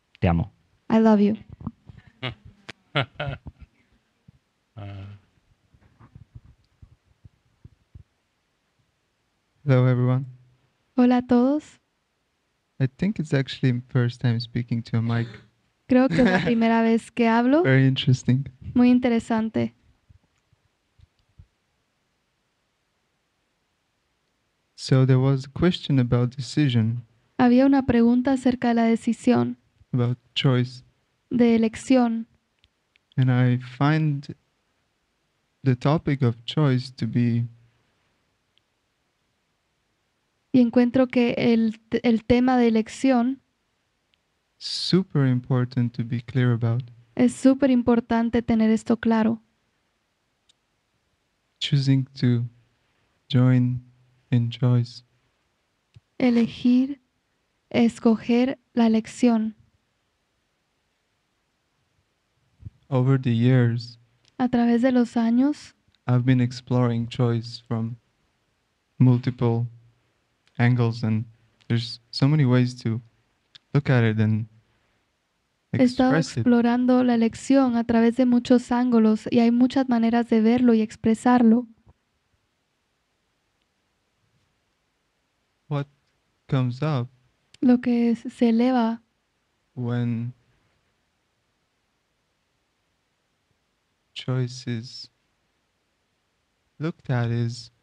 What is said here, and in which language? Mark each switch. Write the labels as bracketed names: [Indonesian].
[Spanish] Te amo. [English] I love you. Hello everyone. [Spanish] Hola a todos. [English] I think it's actually my first time speaking to a mic. [Spanish] Creo que es la primera vez que hablo. [English] Very interesting. [Spanish] Muy interesante. [English] So there was a question about decision. [Spanish] Había una pregunta acerca de la decisión. [English] About choice. [Spanish] De elección. [English] And I find the topic of choice to be. [Spanish] Y encuentro que el tema de elección. [English] Super important to be clear about. [Spanish] Es super importante tener esto claro. [English] Choosing to join. In choice. [Spanish] Elegir, escoger la elección. [English] Over the years, [Spanish] a través de los años, [English] I've been exploring choice from multiple angles, and there's so many ways to look at it and [Spanish] he estado explorando la elección a través de muchos ángulos y hay muchas maneras de verlo y expresarlo. [English] What comes up? [Spanish] Lo que se eleva. [English] When choice is looked at is